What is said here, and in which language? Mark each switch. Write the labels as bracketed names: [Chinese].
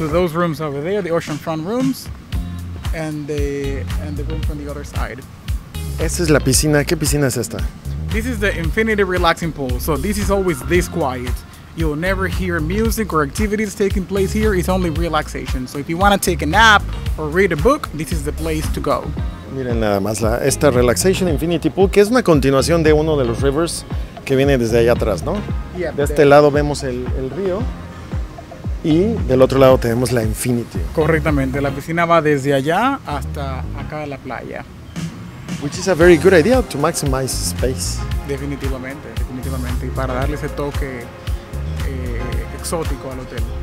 [English] So those rooms over there, the oceanfront rooms, and the rooms on the other side. [Spanish] Esta es la piscina. ¿Qué piscina es esta? [English] This is the infinity relaxing pool. So this is always this quiet. You'll never hear music or activities taking place here. It's only relaxation. So if you want to take a nap or read a book, this is the place to go. [Spanish] Miren nada más esta relaxation infinity pool, que es una continuación de uno de los rivers que viene desde allá atrás, ¿no? [English] Yeah, [Spanish] de este lado vemos el río. Y del otro lado tenemos la Infinity. Correctamente, la piscina va desde allá hasta acá de la playa. [English] Which is a very good idea to maximize space. [Spanish] Definitivamente, definitivamente. Y para darle ese toque exótico al hotel.